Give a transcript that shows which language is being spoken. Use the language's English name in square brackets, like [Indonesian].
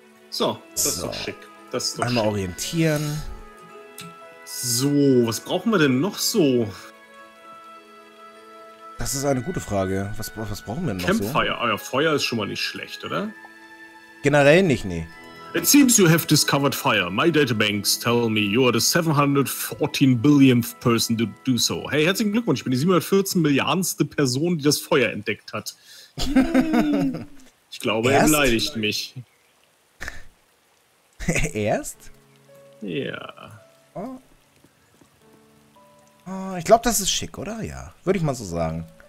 [German] So, das ist doch schick. Das ist doch einmal schick. Orientieren. So, was brauchen wir denn noch so? Das ist eine gute Frage. Was brauchen wir denn noch so? Campfire. Ah ja, Feuer ist schon mal nicht schlecht, oder? Generell nicht, nee. [English] It seems you have discovered fire. My databanks tell me you are the 714 billionth person to do so. [German] Hey, herzlichen Glückwunsch, ich bin die 714 milliardenste Person, die das Feuer entdeckt hat. Ich glaube, er beleidigt mich. Erst? Ja. Oh. Oh, ich glaube, das ist schick, oder? Ja, würde ich mal so sagen.